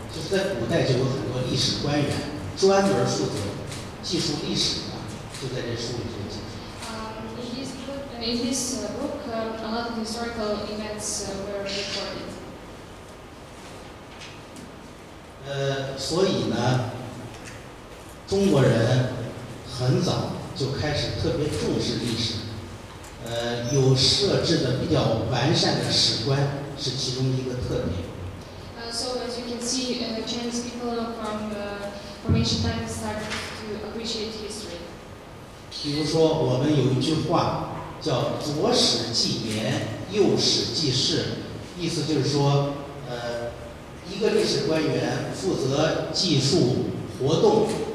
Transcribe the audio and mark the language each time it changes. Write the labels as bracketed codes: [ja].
[zh] 就是在古代就有很多历史官员专门负责记述历史的，就在这书里就记述。 [en] In this book, a lot of historical events were recorded. [zh] 所以呢，中国人很早就开始特别重视历史，有设置的比较完善的史观是其中一个特点。 [en] So as you can see, Chinese people from ancient times started to appreciate history. [zh] 比如说，我们有一句话叫“左史记年，右史记事”，意思就是说，一个历史官员负责记述活动。